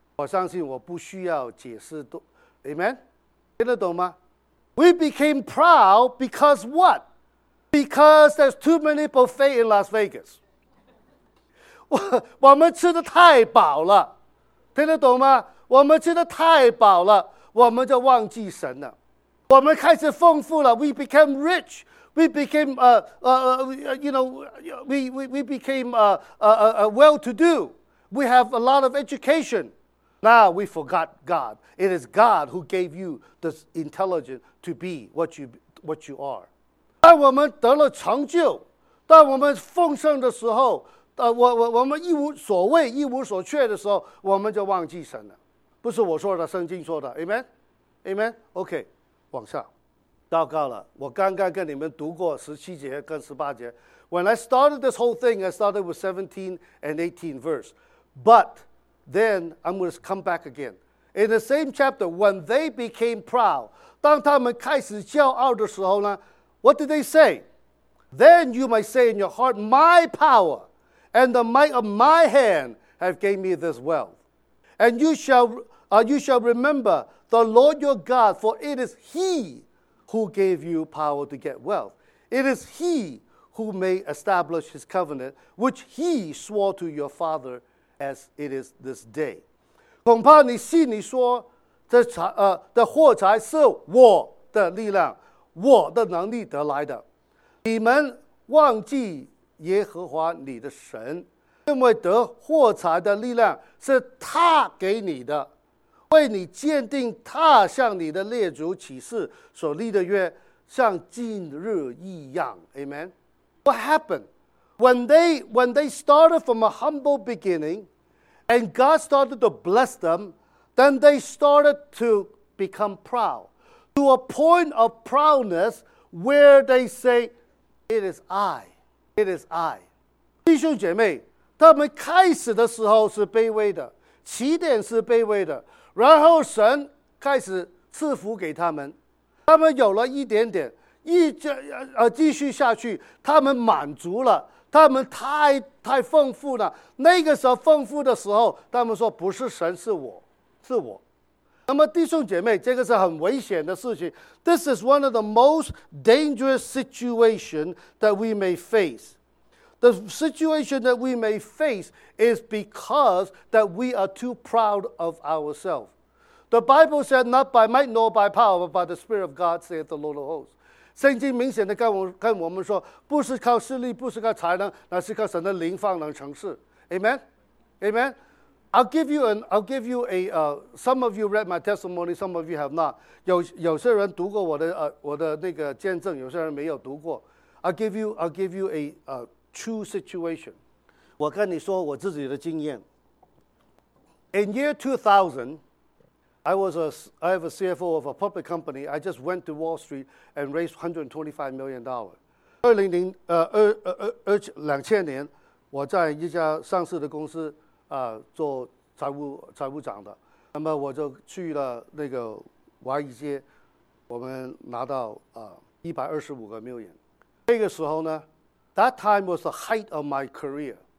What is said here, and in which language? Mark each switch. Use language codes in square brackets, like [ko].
[zh] 我相信我不需要解释多。 [en] Amen? [zh] 听得懂吗 [en] ？We became proud because what? Because there's too many buffet in Las Vegas. [zh] 我们吃得太饱了，听得懂吗？我们吃得太饱了，我们就忘记神了。我们开始丰富了 [en] ，we became rich, we became well-to-do. We have a lot of education. Now we forgot God. It is God who gave you the intelligence to be what you are. [zh] 当我们得了成就，当我们丰盛的时候，我们一无所谓、一无所缺的时候，我们就忘记神了。不是我说的，圣经说的。Amen, Amen. OK, 往下，祷告了。我刚刚跟你们读过十七节跟十八节。 [en] When I started this whole thing, I started with 17 and 18 verse. But then I'm going to come back again. In the same chapter, when they became proud, [zh] 当他们开始骄傲的时候呢？ [en] What did they say? Then you might say in your heart, My power and the might of my hand have gained me this wealth. And you shall remember the Lord your God, for it is He who gave you power to get wealth. It is He who may establish His covenant, which He swore to your father as it is this day. [zh] 恐怕你心里说的祸财是我的力量。我的能力得来的，你们忘记耶和华你的神，因为得祸财的力量是他给你的，为你鉴定他向你的列祖起誓所立的约，像今日一样。 [en] Amen. What happened when they started from a humble beginning, and God started to bless them, then they started to become proud. To a point of proudness where they say, it is I, it is I. [zh] 弟兄姐妹，他们开始的时候是卑微的，起点是卑微的，然后神开始赐福给他们，他们有了一点点，继续下去，他们满足了，他们太丰富了。那个时候丰富的时候，他们说不是神，是我，是我。那么弟兄姐妹，这个是很危险的事情。 [en] This is one of the most dangerous situation that we may face. The situation that we may face is because that we are too proud of ourselves. The Bible said, not by might nor by power, but by the Spirit of God, saith the Lord of hosts. [zh] 圣经明显的跟我们说，不是靠势力，不是靠才能，乃是靠神的灵放胆成事。 [en] Amen? Amen? I'll give you some of you read my testimony, some of you have not. [zh] 有些人读过我的那个见证，有些人没有读过。 [en] I'll give you a true situation. [zh] 我跟你说我自己的经验。 [en] In year 2000, I have a CFO of a public company. I just went to Wall Street and raised $125 million. [zh] 2000年，我在一家上市的公司做财务长的，那么我就去了那个华尔街，我们拿到125个million。那个时候呢 [en] ，that time was the height of my career。